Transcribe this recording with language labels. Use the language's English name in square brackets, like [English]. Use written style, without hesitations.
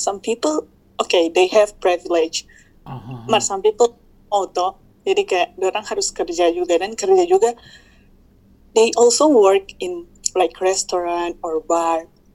[English] Some people, okay, they have privilege. But some people, [Indonesian] jadi kayak orang harus kerja juga dan kerja juga. [English] They also work in like restaurant or bar.